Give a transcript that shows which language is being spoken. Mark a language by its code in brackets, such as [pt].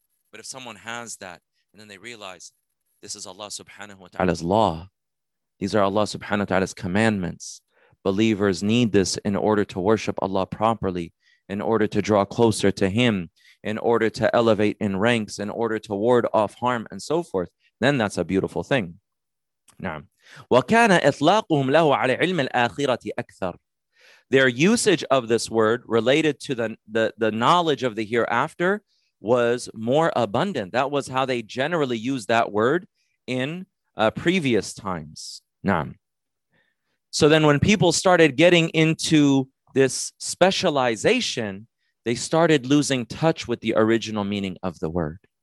[en] But if someone has that and then they realize this is Allah subhanahu wa ta'ala's law, these are Allah subhanahu wa ta'ala's commandments, believers need this in order to worship Allah properly, in order to draw closer to him, in order to elevate in ranks, in order to ward off harm and so forth, then that's a beautiful thing. [ar] نعم. وكان إطلاقهم له على علم الآخرة أكثر. [en] Their usage of this word related to the knowledge of the hereafter was more abundant. That was how they generally used that word in previous times. [ar] نعم. [en] So then when people started getting into this specialization, they started losing touch with the original meaning of the word.